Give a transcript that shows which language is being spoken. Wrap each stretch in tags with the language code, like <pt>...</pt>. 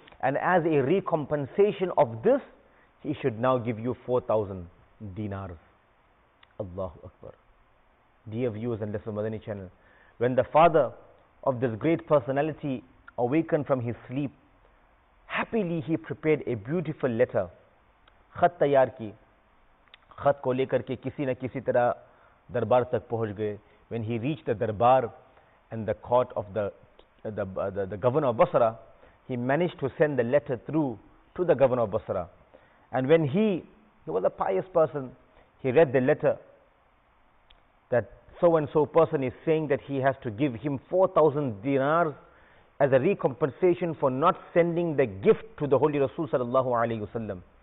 <en>And as a recompensation of this, he should now give you 4,000 dinars. Allahu Akbar. Dear viewers and listeners of Madani channel, when the father of this great personality awakened from his sleep, happily he prepared a beautiful letter.</en> <ur>خط تیار کی, خط کو لے کر کے کسی نہ کسی طرح دربار تک پہنچ گئے.</ur> <en>When he reached the darbar and the court of the governor of Basra, he managed to send the letter through to the governor of Basra. And when he was a pious person, he read the letter that so and so person is saying that he has to give him 4,000 dinars as a recompensation for not sending the gift to the Holy Rasul sallallahu alayhi wasallam.</en>